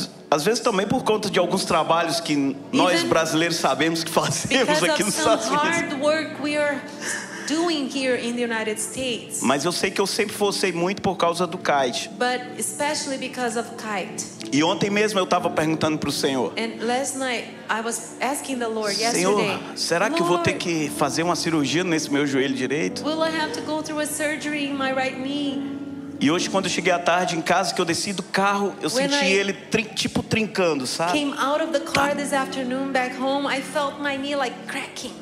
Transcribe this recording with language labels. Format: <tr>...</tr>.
<pt>Às vezes também por conta de alguns trabalhos que nós brasileiros sabemos que fazemos aqui nos Estados Unidos.</pt> <en>Doing here in the United States.</en> <pt>Mas eu sei que eu sempre forcei muito por causa do kite.</pt> <en>But especially because of kite.</en> <pt>E ontem mesmo eu estava perguntando para o Senhor.</pt> <en>And last night I was asking the Lord yesterday.</en> <pt>Senhor, será que eu vou ter que fazer uma cirurgia nesse meu joelho direito?</pt> <en>Will I have to go through a surgery in my right knee?</en> <pt>E hoje quando eu cheguei à tarde em casa, que eu desci do carro, eu senti ele tipo trincando, sabe?</pt> <en>Came out of the car this afternoon back home, I felt my knee like cracking.</en>